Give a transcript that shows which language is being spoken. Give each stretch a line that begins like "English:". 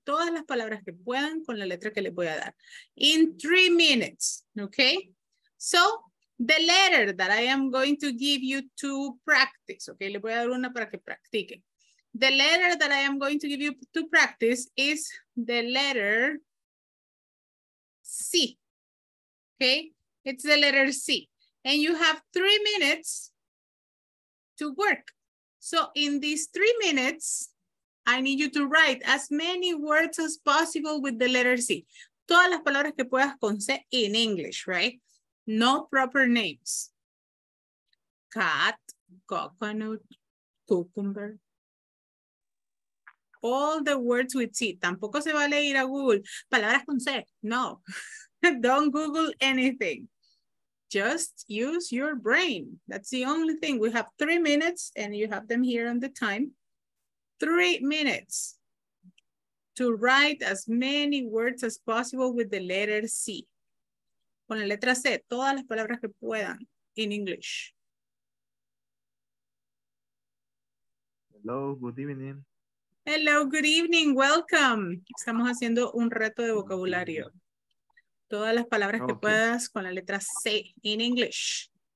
Spanish: Todas las palabras que puedan con la letra que les voy a dar.
English: In 3 minutes, okay? So the letter that I am going to give you to practice, okay?
Spanish: Le voy a dar una para que practique.
English: The letter that I am going to give you to practice is the letter C, okay? It's the letter C. And you have 3 minutes to work. So in these 3 minutes, I need you to write as many words as possible with the letter C.
Spanish: Todas las palabras que puedas con C
English: in English, right? No proper names. Cat, coconut, cucumber. All the words with C.
Spanish: Tampoco se vale ir a Google. Palabras con C. No.
English: Don't Google anything. Just use your brain. That's the only thing. We have 3 minutes and you have them here on the time. 3 minutes to write as many words as possible with the letter C.
Spanish: Con la letra C, todas las palabras que puedan
English: in English. Hello, good evening. Hello, good evening, welcome.
Spanish: Estamos haciendo un reto de vocabulario. Todas las palabras que puedas con la letra C
English: in English.